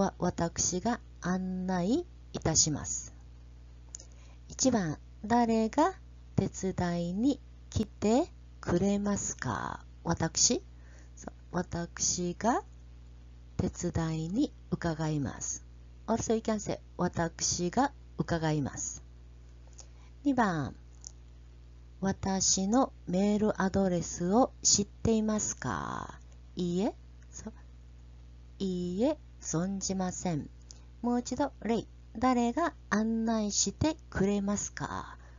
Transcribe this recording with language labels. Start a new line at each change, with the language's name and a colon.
Japanese: 私が案内いたします。 1番、誰が手伝いに来てくれますか？私？私が手伝いに伺います。
English: Also, you can say,
Japanese: 私が伺います。 2番、私のメールアドレスを知っていますか？いいえ、いいえ、存じません。もう一度、レイ、誰が案内してくれますか？